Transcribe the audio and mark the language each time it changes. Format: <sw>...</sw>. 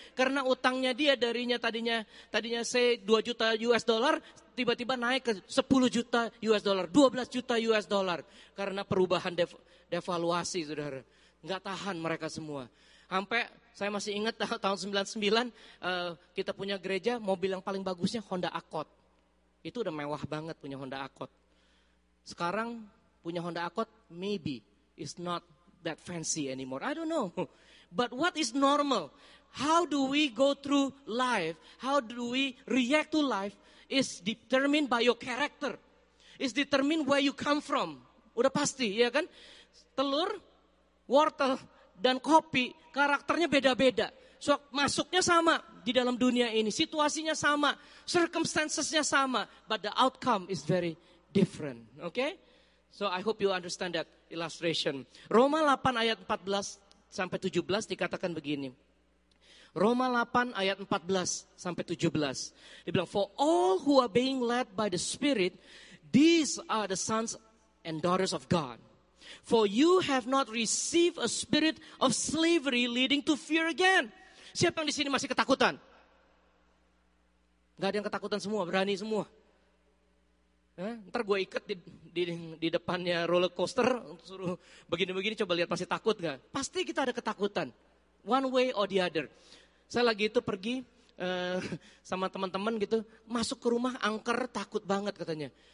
<id>Karena utangnya dia darinya tadinya say 2 juta US dollar, tiba-tiba naik ke 10 juta US dollar, 12 juta US dollar. Karena perubahan devaluasi, saudara. Enggak tahan mereka semua. Sampai saya masih ingat tahun 99, kita punya gereja, mobil yang paling bagusnya Honda Accord. Itu udah mewah banget punya Honda Accord. Sekarang punya Honda Accord,</id> <en>maybe it's not that fancy anymore. I don't know. But what is normal? How do we go through life? How do we react to life? Is determined by your character. Is determined where you come from.</en> <id>Udah pasti, ya kan? Telur, wortel, dan kopi, karakternya beda-beda. So, masuknya sama di dalam dunia ini. Situasinya sama. Circumstances-nya sama.</id> <en>But the outcome is very different. Okay? So, I hope you understand that illustration.</en> <id>Roma 8 ayat 14 sampai 17 dikatakan begini. Roma 8 ayat 14 sampai 17. Dibilang,</id> <en>for all who are being led by the Spirit, these are the sons and daughters of God. For you have not received a spirit of slavery leading to fear again.</en> <id>Siapa yang di sini masih ketakutan? Gak ada yang ketakutan semua, berani semua. Ntar gue ikat di depannya roller coaster, suruh begini-begini, coba lihat masih takut gak? Pasti kita ada ketakutan,</id> <en>one way or the other.</en> <id>Saya lagi itu pergi sama teman-teman gitu, masuk ke rumah angker takut banget katanya.</id>